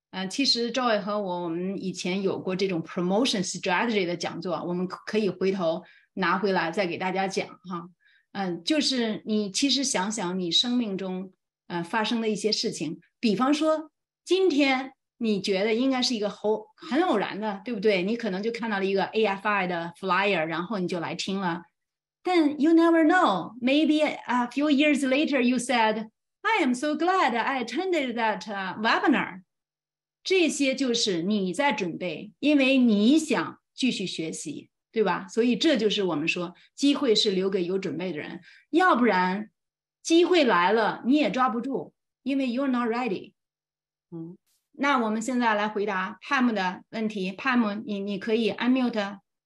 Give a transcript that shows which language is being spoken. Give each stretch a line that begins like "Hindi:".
Chinese: 其实 Joy 和我们以前有过这种 promotion strategy 的讲座，我们可以回头拿回来再给大家讲哈。就是你其实想想你生命中发生的一些事情，比方说今天你觉得应该是一个很偶然的，对不对？你可能就看到了一个 AFI 的 flyer, 然后你就来听了。
English: 但 you never know, maybe a few years later you said, I am so glad I attended that webinar.
Chinese: 这些就是你在准备，因为你想继续学习，对吧？所以这就是我们说机会是留给有准备的人，要不然机会来了你也抓不住，因为
English: you're not ready。
Chinese: 那我们现在来回答 Pam 的问题。Pam, 你可以 unmute。